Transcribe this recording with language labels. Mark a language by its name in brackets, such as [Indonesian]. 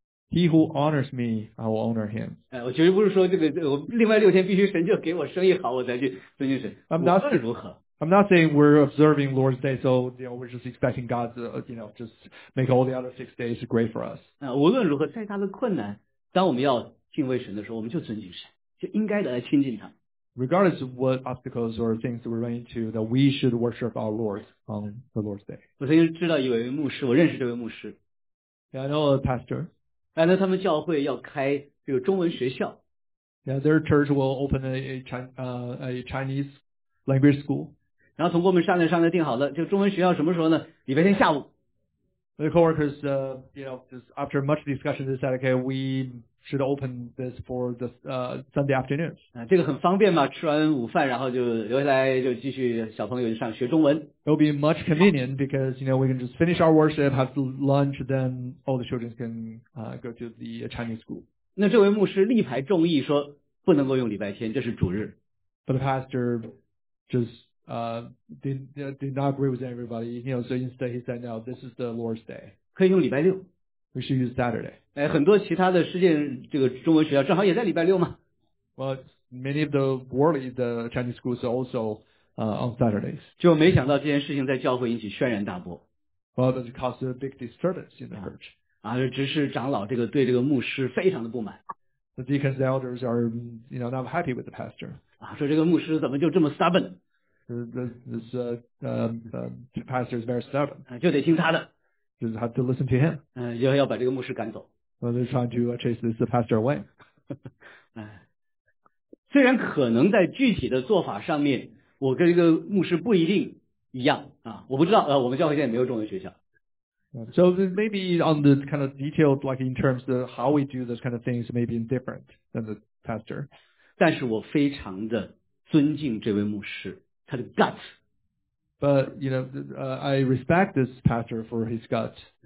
[English] He who honors me, I will honor him. [Chinese] 我绝对不是说这个，我另外六天必须神就给我生意好，我才去尊敬神。 [English] I'm not saying we're observing Lord's Day, so you know, we're just expecting God to you know, just make all the other 6 days great for us. [Chinese] 无论如何，再大的困难，当我们要敬畏神的时候，我们就尊敬神，就应该的来亲近他。 [English] Regardless of what obstacles or things we run into, that we should worship our Lord on the Lord's Day. [Chinese] 我曾经知道一位牧师，我认识这位牧师。 [English] Yeah, I know a pastor. [Chinese] 那他们教会要开这个中文学校。 [English] Yeah, their church will open a Chinese language school. [Chinese] 然后从我们商量定好了，就中文学校什么时候呢？礼拜天下午。 [English] The coworkers, just after much discussion, they said, okay, we should open this for the Sunday afternoon. [Chinese] 这个很方便嘛，吃完午饭然后就留下来就继续小朋友就上学中文。 [English] It'll be much convenient because you know we can just finish our worship, have lunch, then all the children can go to the Chinese school. [Chinese] 那这位牧师力排众议说不能够用礼拜天，这是主日。 [English] But the pastor just did not agree with everybody. You know, so instead he said, no, this is the Lord's Day. [Chinese] 可以用礼拜六。 [English] We should use Saturday. [Chinese] 很多其他的世界这个中文学校正好也在礼拜六嘛。 [English] Well, many of the worldly, the Chinese schools are also on Saturdays. [Chinese] 就没想到这件事情在教会引起轩然大波。 [English] Well, it caused a big disturbance in the church. [Chinese] 执事长老这个对这个牧师非常的不满。 [English] The deacons, the elders are, you know, not happy with the pastor. [Chinese] 说这个牧师怎么就这么 [English] stubborn? This pastor is very stubborn. [Chinese] 就得听他的。 [English] Just have to listen to him. [Chinese] 就要把这个牧师赶走。 [English] Well, they're trying to chase this pastor away. [Chinese] 虽然可能在具体的做法上面，我跟这个牧师不一定一样我不知道我们教会现在没有中文学校。 [English] So maybe on the kind of detailed, like in terms of how we do those kind of things, maybe different than the pastor. [Chinese] 但是我非常的尊敬这位牧师。他的 [English] guts, but you know, I respect this pastor for his guts.